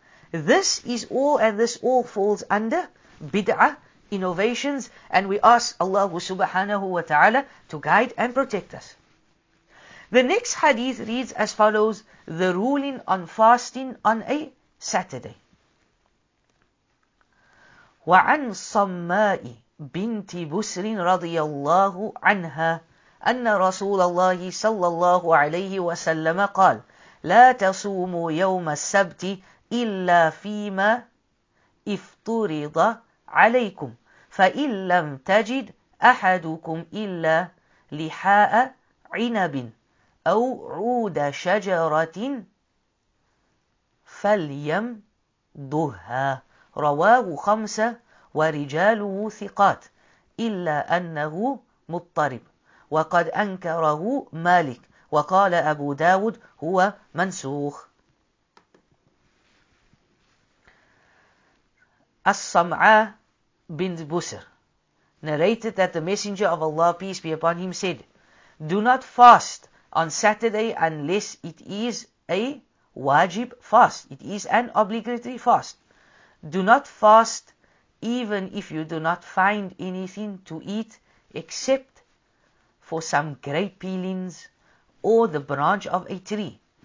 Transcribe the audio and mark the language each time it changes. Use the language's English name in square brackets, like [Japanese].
[English] This is all, and this all falls under bid'ah, innovations, and we ask Allah subhanahu wa ta'ala to guide and protect us. The next hadith reads as follows, the ruling on fasting on a Saturday. [Arabic] وعن صماء بنت بسر رضي الله عنها أن رسول الله صلى الله عليه وسلم قال لا تصوموا يوم السبت إلا فيما افترض عليكم فإن لم تجد أحدكم إلا لحاء عنب أو عود شجرة فليمضها رواه 5 ورجاله ثقات إلا أنه مضطرب وقد أنكره مالك وقال أبو داود هو منسوخ. [English] As-Sam'a bint Busr narrated that the Messenger of Allah, peace be upon him, said, do not fast on Saturday unless it is a wajib fast. It is an obligatory fast. Do not fast even if you do not find anything to eat except for some grape peelings or the branch of a tree.